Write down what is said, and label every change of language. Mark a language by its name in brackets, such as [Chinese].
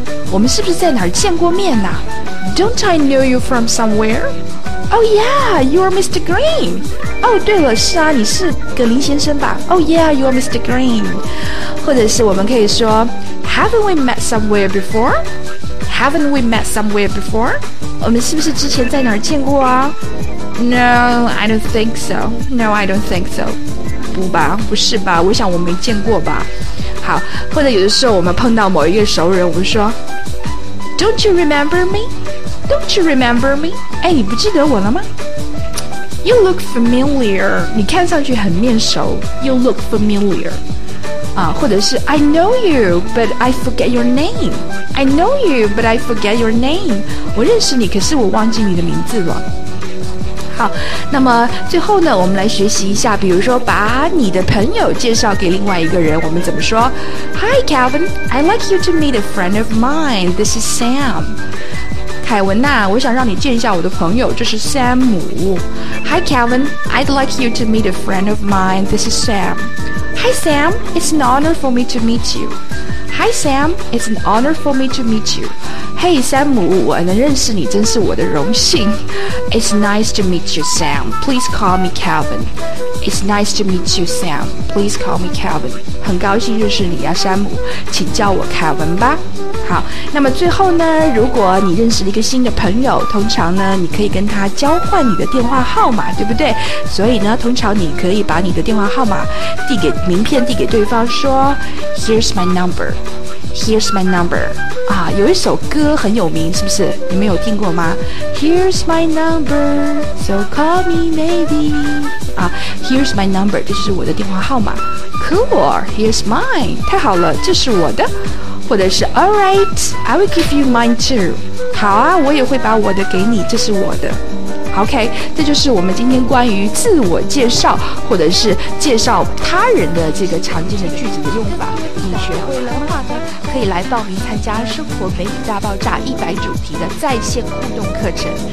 [Chinese] 我们是不是在哪儿见过面呢 [English] Don't I know you from somewhere? Oh yeah, you're Mr. Green. Oh, [Chinese] 对了，是啊，你是葛林先生吧 [English] ？Oh yeah, you're Mr. Green. [Chinese] 或者是我们可以说 ， [English] Haven't we met somewhere before? Haven't we met somewhere before? [Chinese] 我们是不是之前在哪儿见过啊 ？ [English] No, I don't think so. No, I don't think so. [Chinese] 不吧，不是吧？我想我没见过吧。好，或者有的时候我们碰到某一个熟人，我们说。 [English] Don't you remember me? Don't you remember me? [Chinese] 哎，你不记得我了吗？ [English] You look familiar. [Chinese] 你看上去很面熟。 [English] You look familiar. 啊，或者是 I know you, but I forget your name. I know you, but I forget your name. [Chinese] 我认识你，可是我忘记你的名字了。好，那么最后呢，我们来学习一下，比如说把你的朋友介绍给另外一个人，我们怎么说 ？ [English] Hi, Calvin. I'd like you to meet a friend of mine. This is Sam. [Chinese] 凯文呐，我想让你见一下我的朋友，这是 Sam 姆。 [English] Hi, Calvin. I'd like you to meet a friend of mine. This is Sam. Hi, Sam. It's an honor for me to meet you. Hi, Sam. It's an honor for me to meet you. [Chinese] Hey, Sam, 我能认识你真是我的荣幸。 [English] It's nice to meet you, Sam. Please call me Calvin. It's nice to meet you, Sam. Please call me Calvin. [Chinese] 很高兴认识你啊 Sam. 请叫我 Calvin 吧。好，那么最后呢，如果你认识了一个新的朋友，通常呢，你可以跟他交换你的电话号码，对不对？所以呢，通常你可以把你的电话号码递给名片递给对方说 [English] Here's my number. Here's my number. [Chinese] 啊，有一首歌很有名，是不是？你们有听过吗 ？ [English] Here's my number, so call me maybe. [Chinese] 啊 ， [English] Here's my number， [Chinese] 这就是我的电话号码。 [English] Cool, here's mine. [Chinese] 太好了，这是我的。 [English] 或者是 All right, I will give you mine too. [Chinese] 好啊，我也会把我的给你，这是我的。OK， 这就是我们今天关于自我介绍或者是介绍他人的这个常见的句子的用法。你学会了吗？可以来报名参加《生活美语大爆炸》100主题的在线互动课程。